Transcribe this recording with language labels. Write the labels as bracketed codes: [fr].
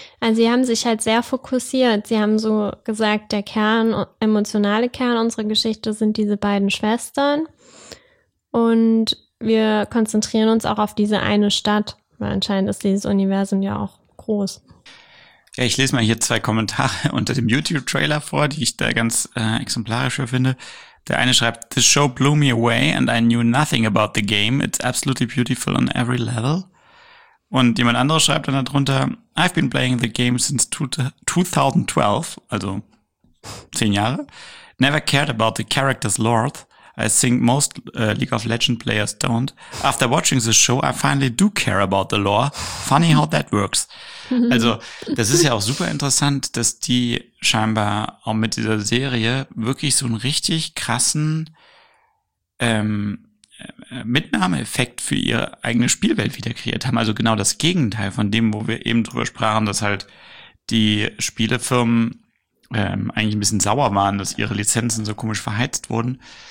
[de] Also sie haben sich halt sehr fokussiert. Sie haben so gesagt, der Kern, emotionale Kern unserer Geschichte sind diese beiden Schwestern und wir konzentrieren uns auch auf diese eine Stadt, weil anscheinend ist dieses Universum ja auch groß. Ja, ich lese mal hier zwei Kommentare unter dem YouTube-Trailer vor, die ich da ganz exemplarisch für finde. Der eine schreibt, [en] "The show blew me away and I knew nothing about the game. It's absolutely beautiful on every level." [de] Und jemand anderes schreibt dann darunter, [en] "I've been playing the game since 2012, [de] also 10 Jahre. [en] Never cared about the character's lore. I think most League of Legends players don't. After watching the show, I finally do care about the lore. Funny how that works." [de] Also, das ist ja auch super interessant, dass die scheinbar auch mit dieser Serie wirklich so einen richtig krassen Mitnahmeeffekt für ihre eigene Spielwelt wieder kreiert haben. Also genau das Gegenteil von dem, wo wir eben drüber sprachen, dass halt die Spielefirmen eigentlich ein bisschen sauer waren, dass ihre Lizenzen so komisch verheizt wurden.